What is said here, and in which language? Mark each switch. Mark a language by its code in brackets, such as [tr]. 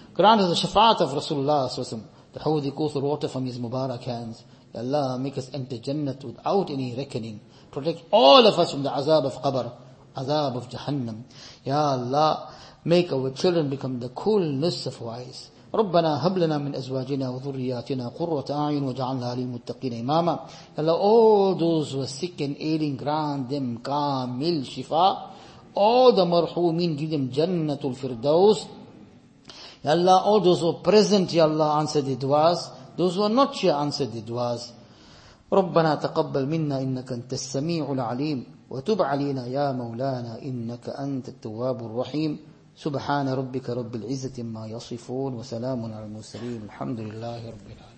[en] Grant us the shafaat of Rasulullah sallallahu alaihi wasallam. The hawdi kuthur water from his mubarak hands. Ya Allah, make us enter Jannat without any reckoning. Protect all of us from the azab of qabr. Azab of Jahannam. Ya Allah, make our children become the coolness of wise. [ar] ربنا هب لنا من ازواجنا وذرياتنا قرة اعين واجعلنا للمتقين اماما. [en] Ya Allah, all those who are sick and ailing, grant them kamil shifa. All the marhumin, give them jannatul firdaus. Ya Allah, all those who are present, Ya Allah, answer the duas. Those who are not here, answer the duas. [ar] ربنا تقبل منا انك انت السميع العليم وتب علينا يا مولانا انك انت التواب الرحيم. سبحان ربك رب العزة ما يصفون وسلام على المرسلين الحمد لله رب العالمين.